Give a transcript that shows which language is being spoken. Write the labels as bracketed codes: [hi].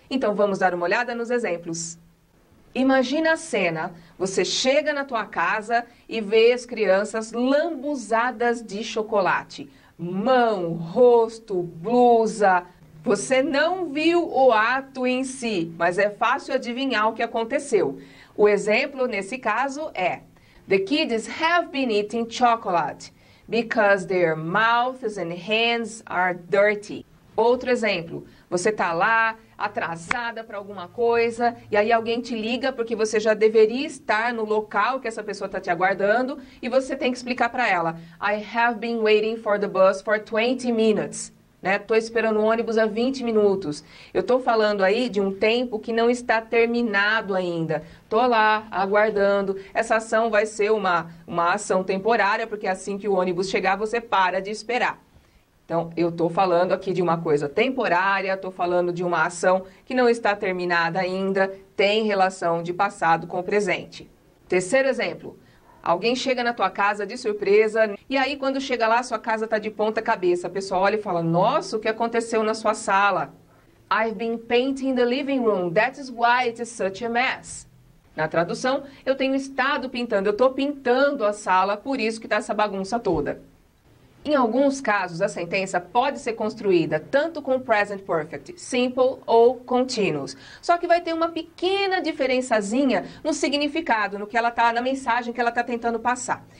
[pt] Então vamos dar uma olhada nos exemplos. Imagina a cena: você chega na tua casa e vê as crianças lambuzadas de chocolate. Mão, rosto, blusa. Você não viu o ato em si, mas é fácil adivinhar o que aconteceu. O exemplo nesse caso é: [en] The kids have been eating chocolate because their mouths and hands are dirty. [pt] Outro exemplo: você está lá atrasada para alguma coisa e aí alguém te liga porque você já deveria estar no local que essa pessoa está te aguardando e você tem que explicar para ela: [en] I have been waiting for the bus for 20 minutes. [pt] Né? Estou esperando o ônibus há 20 minutos. Eu estou falando aí de um tempo que não está terminado ainda. Estou lá aguardando. Essa ação vai ser uma ação temporária, porque assim que o ônibus chegar, você para de esperar. Então, eu estou falando aqui de uma coisa temporária, estou falando de uma ação que não está terminada ainda, tem relação de passado com o presente. Terceiro exemplo: alguém chega na tua casa de surpresa e aí, quando chega lá, sua casa está de ponta cabeça. A pessoa olha e fala: Nossa, o que aconteceu na sua sala? [en] I've been painting the living room. That is why it is such a mess. [pt] Na tradução, eu tenho estado pintando, eu estou pintando a sala, por isso que está essa bagunça toda. Em alguns casos, a sentença pode ser construída tanto com Present Perfect Simple ou Continuous. Só que vai ter uma pequena diferençazinha no significado, no que ela tá, na mensagem que ela está tentando passar.